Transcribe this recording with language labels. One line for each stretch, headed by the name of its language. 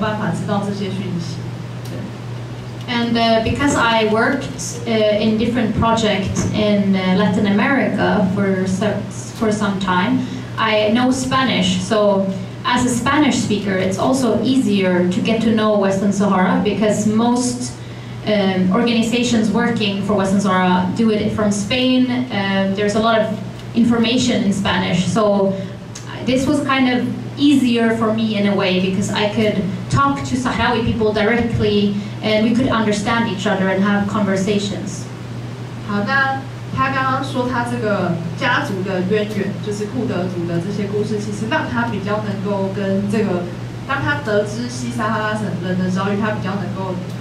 Chinese: 所以当他听到的时候，他是非常非常压抑，就说：“哎，已经是对这个议题高度的兴趣与参与，连他都没有办法知道这些讯息。”对。
English: And because I worked in different projects in Latin America for some time, I know Spanish. So as a Spanish speaker, it's also easier to get to know Western Sahara because most organizations working for Western Sahara do it from Spain. There's a lot of information in Spanish, so this was kind of easier for me in a way because I could talk to Sahrawi people directly and we could understand each other and have conversations.
Chinese: 好，那他刚刚说他这个家族的渊源，就是库德族的这些故事，其实让他比较能够跟这个，当他得知西撒哈拉省人的遭遇，他比较能够。